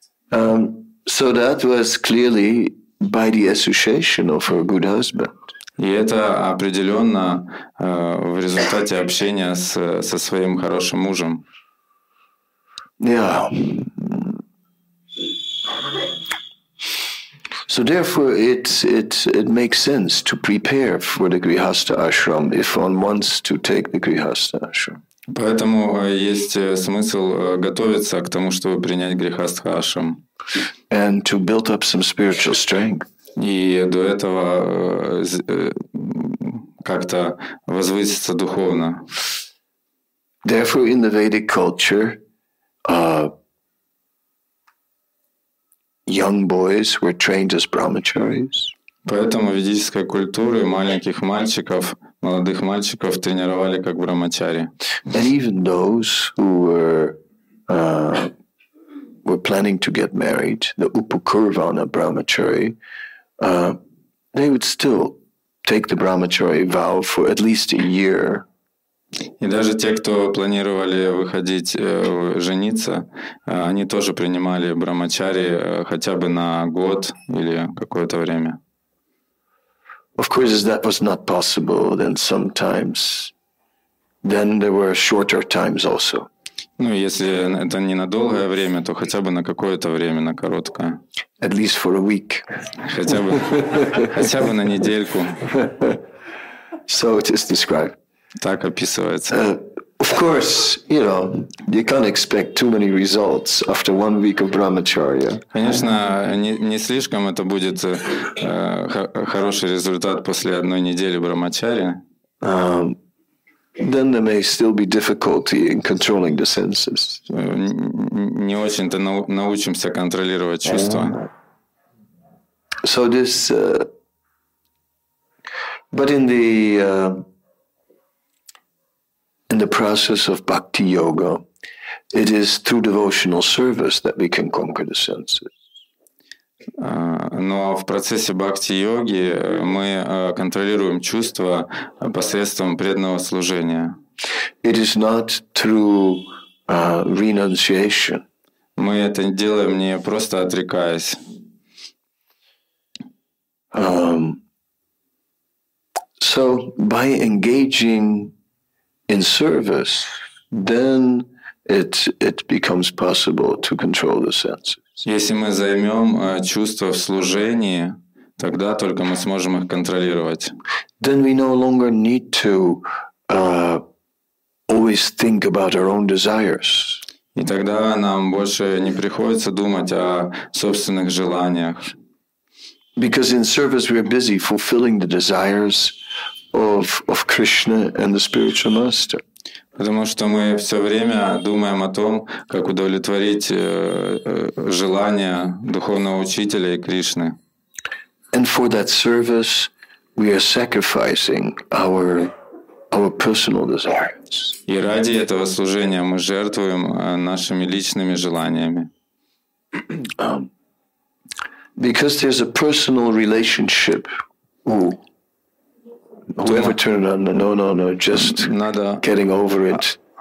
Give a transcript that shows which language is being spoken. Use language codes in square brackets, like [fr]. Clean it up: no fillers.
[en] So that was clearly by the association of her good husband. [ru] И это определенно в результате общения со своим хорошим мужем. [en] Yeah. So therefore, it makes sense to prepare for the Grihastha ashram if one wants to take the Grihastha ashram. [ru] Поэтому есть смысл готовиться к тому, чтобы принять Грихастха ашрам. [en] And to build up some spiritual strength. [ru] И до этого как-то возвыситься духовно. [en] Therefore, in the Vedic culture, young boys were trained as brahmacharis. [ru] Поэтому в ведической культуре маленьких мальчиков, молодых мальчиков тренировали как брахмачари. [en] And even those who were planning to get married, the upakurvana brahmachari, they would still take the brahmachari vow for at least a year. [ru] И даже те, кто планировали выходить, жениться, они тоже принимали брахмачари хотя бы на год или какое-то время. [en] Of course, if that was not possible, then sometimes, then there were shorter times also. [ru] Ну, если это не на долгое время, то хотя бы на какое-то время, на короткое. [en] At least for a week. [ru] Хотя бы на недельку. [en] So it is described. [ru] Так описывается. [en] Of course, you know, you can't expect too many results after one week of brahmacharya. [ru] Конечно, не слишком это будет хороший результат после одной недели брахмачари. [en] Then there may still be difficulty in controlling the senses. [ru] Не очень-то научимся контролировать чувства. [en] So this, but in the in the process of bhakti yoga, it is through devotional service that we can conquer the senses. [ru] Но в процессе бхакти йоги мы контролируем чувства посредством преданного служения. [en] It is not through renunciation. [ru] Мы это делаем не просто отрекаясь. [en] So by engaging in service, then it becomes possible to control the senses. [ru] Если мы займем чувства в служении, тогда только мы сможем их контролировать. [en] Then we no longer need to always think about our own desires. [ru] И тогда нам больше не приходится думать о собственных желаниях. [en] Because in service we are busy fulfilling the desires of Krishna and the spiritual master. [ru] Потому что мы все время думаем о том, как удовлетворить желания духовного учителя и Кришны. [en] And for that service, we are sacrificing our personal desires. [ru] И ради этого служения мы жертвуем нашими личными желаниями. [en] Because there's a personal relationship. Whoever turned on the no, just [ru] надо [en] getting over it.